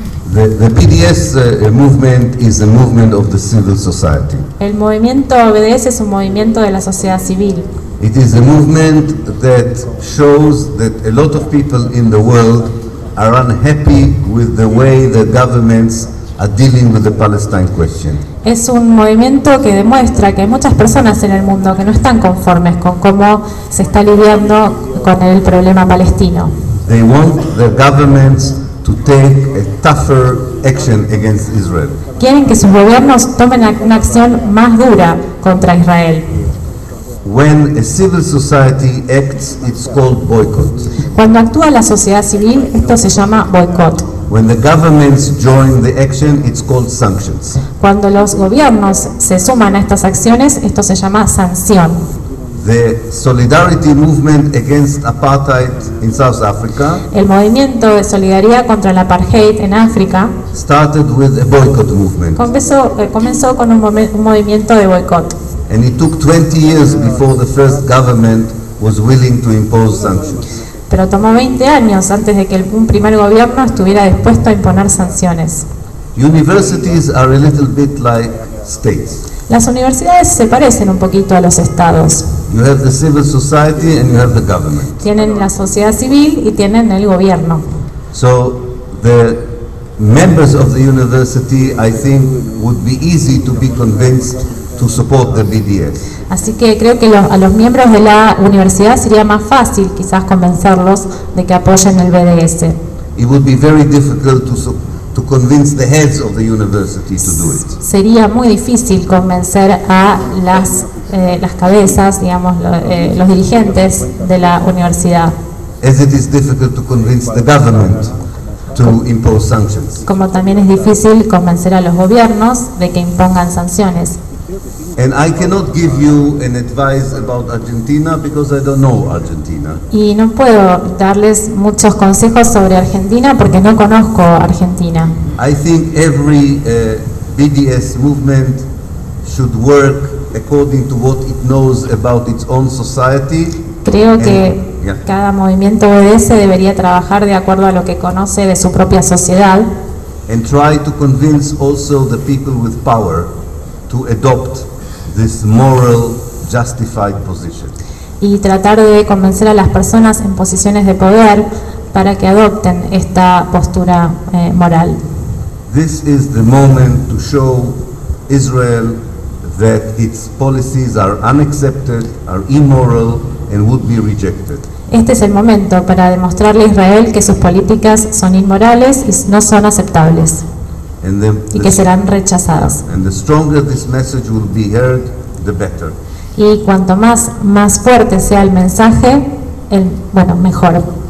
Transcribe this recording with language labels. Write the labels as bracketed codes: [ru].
[en] The BDS movement is a movement of the civil society. [es] El movimiento BDS es un movimiento de la sociedad civil. [en] It is a movement that shows that a lot of people in the world are unhappy with the way the governments are dealing with the Palestine question. [es] Es un movimiento que demuestra que hay muchas personas en el mundo que no están conformes con cómo se está lidiando con el problema palestino. [en] They want the governments to take a tougher action against Israel. [es] Quieren que sus gobiernos tomen una acción más dura contra Israel. [en] When a civil society acts, it's called boycott. [es] Cuando actúa la sociedad civil, esto se llama boicot. [en] When the governments join the action, it's called sanctions. [es] Cuando los gobiernos se suman a estas acciones, esto se llama sanción. [en] The solidarity movement against apartheid in South Africa. [es] El movimiento de solidaridad contra el apartheid en África. [en] Started with a boycott movement. [es] Comenzó con un movimiento de boicot. [en] And it took 20 years before the first government was willing to impose sanctions. [es] Pero tomó 20 años antes de que un primer gobierno estuviera dispuesto a imponer sanciones. [en] Universities are a little bit like states. [es] Las universidades se parecen un poquito a los estados. [en] You have the civil society and you have the government. [es] Tienen la sociedad civil y tienen el gobierno. [en] So the members of the university, I think, would be easy to be convinced to support the BDS. [es] Así que creo que a los miembros de la universidad sería más fácil quizás convencerlos de que apoyen el BDS. [en] It would be very difficult to convince the heads of the university to do it. [es] Sería muy difícil convencer a las cabezas, digamos, los dirigentes de la universidad. [en] As it is difficult to convince the government to impose sanctions. [es] Como también es difícil convencer a los gobiernos de que impongan sanciones. [en] And I cannot give you an advice about Argentina because I don't know Argentina. [es] Y no puedo darles muchos consejos sobre Argentina porque no conozco Argentina. [en] I think every BDS movement should work according to what it knows about its own society. [es] Creo que cada movimiento BDS debería trabajar de acuerdo a lo que conoce de su propia sociedad. [en] And try to convince also the people with power to adopt this moral justified position. [es] Y tratar de convencer a las personas en posiciones de poder para que adopten esta postura moral. [en] This is the moment to show Israel that its policies are unaccepted, are immoral, and would be rejected. [es] Este es el momento para demostrarle a Israel que sus políticas son inmorales y no son aceptables. Y que serán rechazadas. [en] And the stronger this message will be heard, the better. [es] Y cuanto más fuerte sea el mensaje, mejor.